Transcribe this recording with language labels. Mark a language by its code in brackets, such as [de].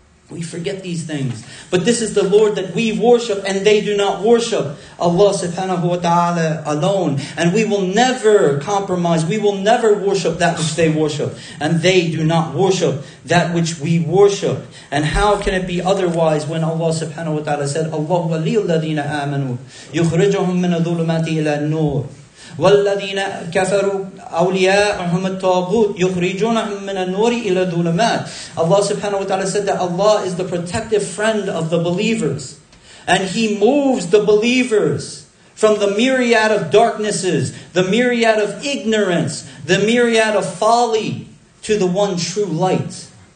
[en] We forget these things. But this is the Lord that we worship, and they do not worship Allah subhanahu wa ta'ala alone. And we will never compromise. We will never worship that which they worship. And they do not worship that which we worship. And how can it be otherwise when Allah subhanahu wa ta'ala said, [ar] اللَّهُ وَلِيُّ الَّذِينَ آمَنُوا يُخْرِجُهُم مِّنَ الظُّلُمَاتِ إِلَى النُّورِ وَالَّذِينَ كَفَرُوا أَوْلِيَاءُهُمُ الطَّاغُوتُ يُخْرِجُونَهُم مِّنَ النُّورِ إِلَى الظُّلُمَاتِ. [en] Allah subhanahu wa ta'ala said that Allah is the protective friend of the believers. And He moves the believers from the myriad of darknesses, the myriad of ignorance, the myriad of folly, to the one true light.